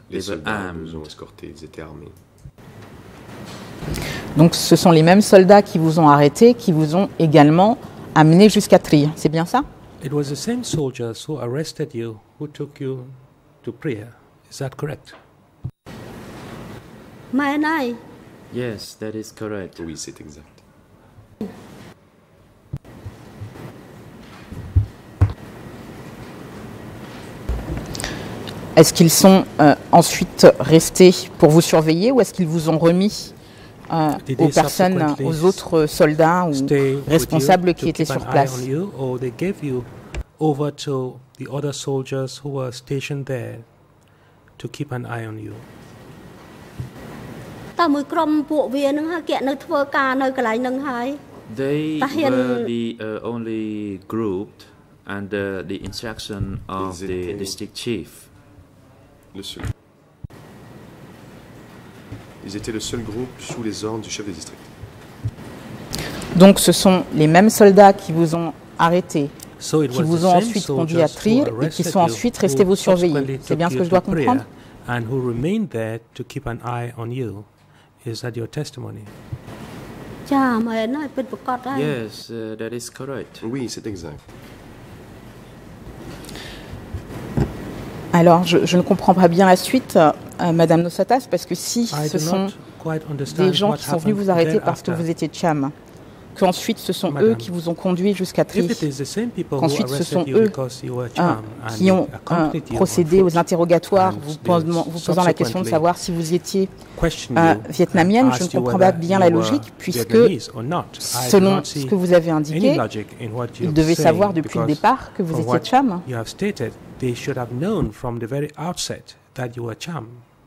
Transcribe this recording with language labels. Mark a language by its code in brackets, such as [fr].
[fr] Les soldats nous ont escortés, ils étaient armés. Donc ce sont les mêmes soldats qui vous ont arrêté, qui vous ont également amené jusqu'à Trier, c'est bien ça? [en] It was the same soldiers who arrested you, who took you to Trier. Is that correct? Yes, that is correct. [fr] Oui, c'est exact. Est-ce qu'ils sont ensuite restés pour vous surveiller ou est-ce qu'ils vous ont remis aux personnes, aux autres soldats ou responsables qui étaient sur place? [en] You, or they gave you over to the other soldiers who were stationed there to keep an eye on you? They were the only group under the instruction of the district chief. [fr] Ils étaient le seul groupe sous les ordres du chef de district. Donc ce sont les mêmes soldats qui vous ont arrêté, qui vous ont ensuite conduit à Trier et qui sont ensuite restés vous surveiller. C'est bien ce que je dois comprendre? [en] And who remained there to keep an eye on you. Is that your testimony? Yes, that is correct. [fr] Oui, c'est exact. Alors, je ne comprends pas bien la suite, Madame Nosatas, parce que si ce sont des gens qui sont venus vous arrêter parce que vous étiez Cham, qu'ensuite ce sont eux qui vous ont conduit jusqu'à Trier, qu'ensuite ce sont eux qui ont procédé aux interrogatoires vous posant la question de savoir si vous étiez vietnamienne, je ne comprends pas bien la logique, puisque selon ce que vous avez indiqué, ils devaient savoir depuis le départ que vous étiez Cham. [en] They should have known from the very outset that you were Cham.